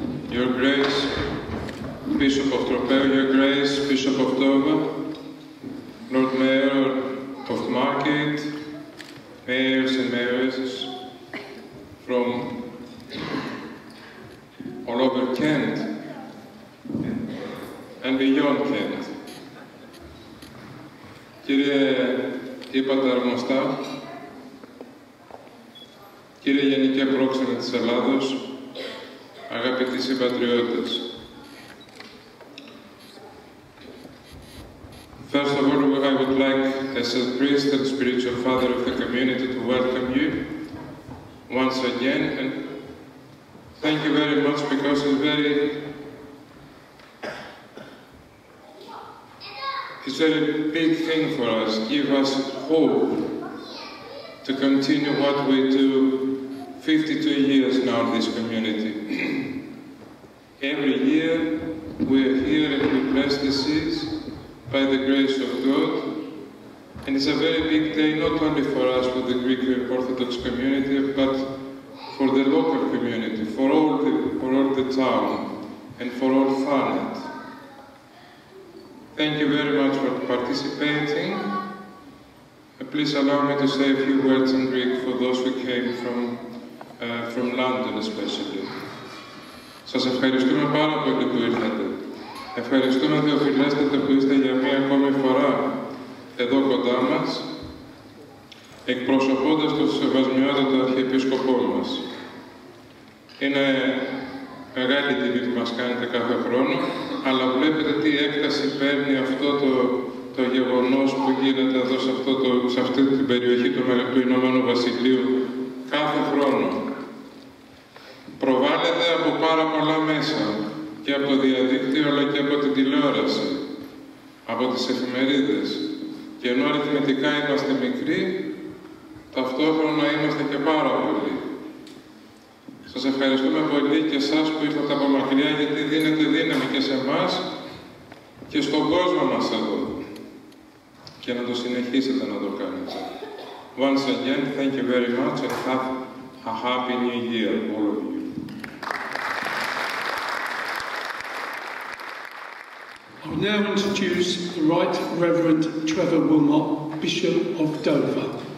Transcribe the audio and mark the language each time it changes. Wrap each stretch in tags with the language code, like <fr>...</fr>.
<en>Your Grace, Bishop of Tropea, Your Grace, Bishop of Dover, Lord Mayor of Margate, Mayors and Mayoresses, from all over Kent and beyond Kent.</en> <el>Κύριε Υπαταγνωστά, κύριε Γενική Πρόξενε της Ελλάδος, αγαπητοί συμπατριώτες.</el> <en>First of all, I would like, as a priest and spiritual father of the community, to welcome you once again, and thank you very much because it's a very big thing for us, give us hope to continue what we do 52 years now in this community. Every year we are here and we bless the seas by the grace of God. And it's a very big day, not only for us, for the Greek Orthodox community, but for the local community, for all the town, and for all Thanet. Thank you very much for participating. Please allow me to say a few words in Greek for those who came from London especially.</en> <el>Σας ευχαριστούμε πάρα πολύ που ήρθατε. Ευχαριστούμε Θεοφιλέστατε που είστε για μία ακόμη φορά εδώ κοντά μας, εκπροσωπώντας τον Σεβασμιότατο Αρχιεπίσκοπό μας. Είναι μεγάλη τιμή που μας κάνετε κάθε χρόνο, αλλά βλέπετε τι έκταση παίρνει αυτό το γεγονός που γίνεται εδώ σε αυτή την περιοχή του Ηνωμένου Βασιλείου κάθε χρόνο. Προβάλλεται από πάρα πολλά μέσα, και από το διαδίκτυο αλλά και από την τηλεόραση, από τις εφημερίδες. Και ενώ αριθμητικά είμαστε μικροί, ταυτόχρονα είμαστε και πάρα πολλοί. Σας ευχαριστούμε πολύ και εσάς που ήρθατε από μακριά, γιατί δίνετε δύναμη και σε εμάς και στον κόσμο μας εδώ. Και να το συνεχίσετε να το κάνετε.</el> <en>Once again, thank you very much and have a happy new year, all of you. I will now introduce the Right Reverend Trevor Wilmot, Bishop of Dover.</en>